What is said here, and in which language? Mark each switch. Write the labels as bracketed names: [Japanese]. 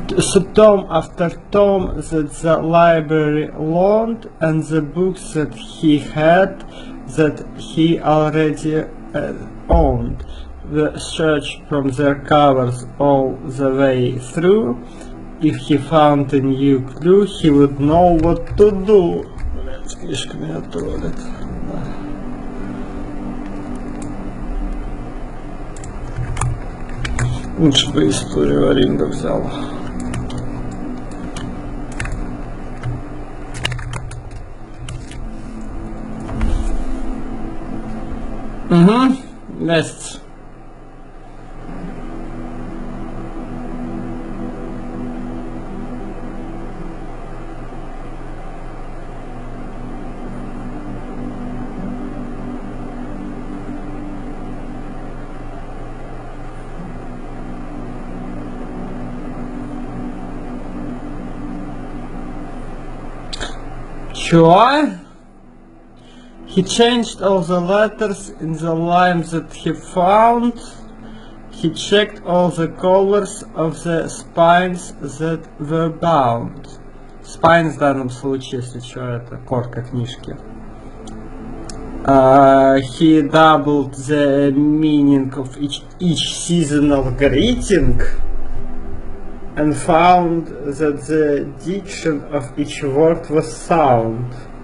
[English] So tom after tom that the library loaned and the books that he had that he already owned. The search from their covers all the way through. If he found a new clue, he would know what to do. [Russian] Блядь, книжка меня троллит. Лучше бы историю о Ринго взял. Угу, лестница. [English] Thank you. [Russian] Чё? [English] He changed all the letters in the line that he found. He checked all the colors of the spines that were bound. [Russian] Spines в данном случае, если чё, это корка книжки. [English] He doubled the meaning of each seasonal greeting and found that the diction of each word was sound.